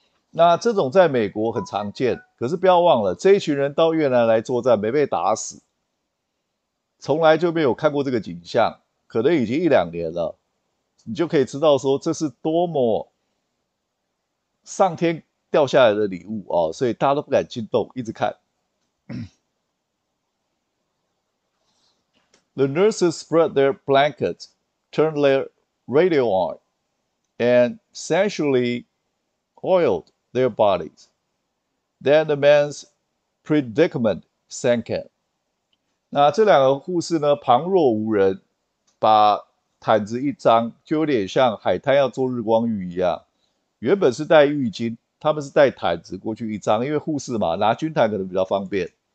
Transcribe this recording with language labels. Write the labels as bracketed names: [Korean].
[Chinese] 那这种在美国很常见，可是不要忘了，这一群人到越南来作战没被打死，从来就没有看过这个景象。可能已经一两年了，你就可以知道说这是多么上天掉下来的礼物哦，所以大家都不敢进洞，一直看。 [English] The nurses spread their blankets, turned their radio on, and sensually oiled their bodies. Then the man's predicament sank in. [Chinese] 那这两个护士呢，旁若无人，把毯子一张，就有点像海滩要做日光浴一样。原本是带浴巾，他们是带毯子过去一张，因为护士嘛，拿军毯可能比较方便。